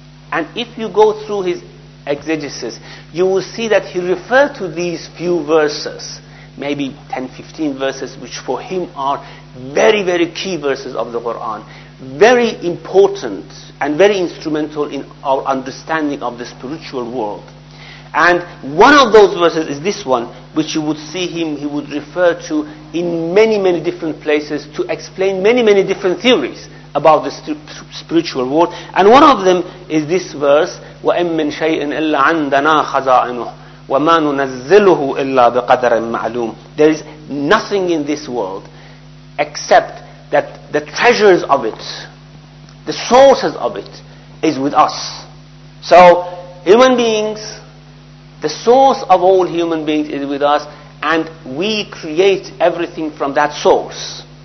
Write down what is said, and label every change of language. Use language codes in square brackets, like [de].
[en] And if you go through his exegesis, you will see that he referred to these few verses, maybe 10-15 verses, which for him are very, very key verses of the Quran, very important and very instrumental in our understanding of the spiritual world. And one of those verses is this one, which you would see he would refer to in many, many different places to explain many, many different theories about the spiritual world. And one of them is this verse, [ar] وَإِن مِّن شَيْءٍ إِلَّا عَنْدَنَا خَزَائِنُهُ وَمَا نُنَزِّلُهُ إِلَّا بِقَدَرٍ مَعْلُومٍ. [en] There is nothing in this world except that the treasures of it, the sources of it, is with us. So, human beings, the source of all human beings is with us, and we create everything from that source.